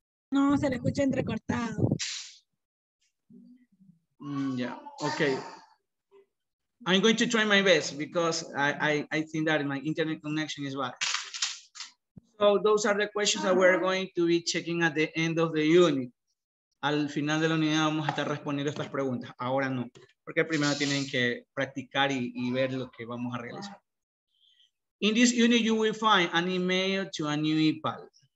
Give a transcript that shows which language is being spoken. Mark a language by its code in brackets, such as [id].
[es] No, se le escucha entrecortado. [en] Yeah, okay. I'm going to try my best because I think that my internet connection is bad. So those are the questions that we're going to be checking at the end of the unit. [es] Al final de la unidad vamos a estar respondiendo estas preguntas. Ahora no, porque primero tienen que practicar y ver lo que vamos a realizar. [en] In this unit, you will find an email to a new EPAL.